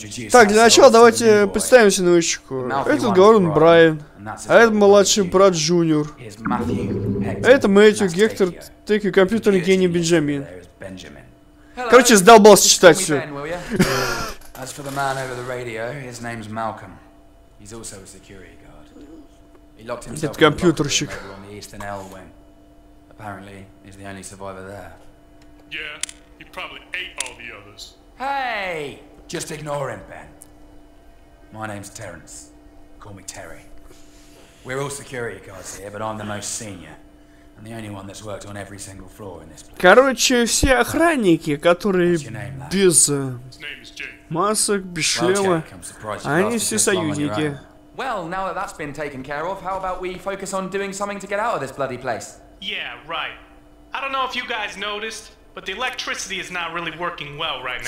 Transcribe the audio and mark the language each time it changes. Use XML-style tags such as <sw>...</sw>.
<ru>Так, для начала давайте представимся новичку. Это Гаррон Брайан. А это младший брат Джуниор. Это Мэтью Гектор, так и компьютерный гений Бенджамин. Короче, сдолбался читать все.</ru> <en>As for the man over the radio, his name's Malcolm. He's also a security guard. He locked himself in the locker room on the Eastern L wing. Apparently, he's the only survivor there. Yeah, he probably ate all the others. Hey! Just ignore him, Ben. My name's Terrence. Call me Terry. We're all security guards here, but I'm the most senior. And the only one that's worked on every single floor in this place.</en> <ru>Короче, все охранники, которые без масок, без шлема, они все союзники.</ru> <en>Well, now that that's been taken care of, how about we focus on doing something to get out of this bloody place? Yeah, right. I don't know if you guys noticed, but the electricity is not really working well right now.</en>